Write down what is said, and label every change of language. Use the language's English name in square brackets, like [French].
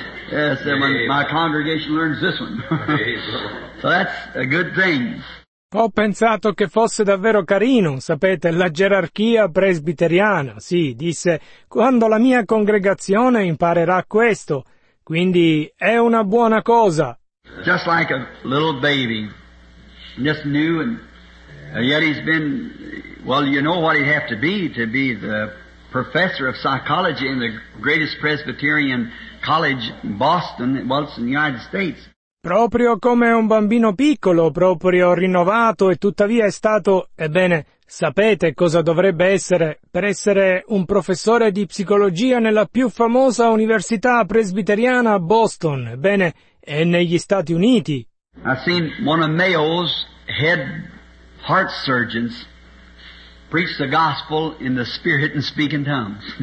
[English] when my congregation learns this one. So that's a good thing. [Italian] Ho pensato che fosse davvero carino, sapete, la gerarchia presbiteriana. Sì, disse, quando la mia congregazione imparerà questo. Quindi è una buona cosa. [English] Just like a little baby, just new, and yet he's been, well, you know what he'd have to be the professor of psychology in the greatest Presbyterian college in Boston, well, it's in the United States. [Italian] Proprio come un bambino piccolo, proprio rinnovato e tuttavia è stato, ebbene, sapete cosa dovrebbe essere per essere un professore di psicologia nella più famosa università presbiteriana a Boston, ebbene, è negli Stati Uniti. [English] I've seen one of Mayo's head heart surgeons preach the gospel in the spirit and speak in tongues.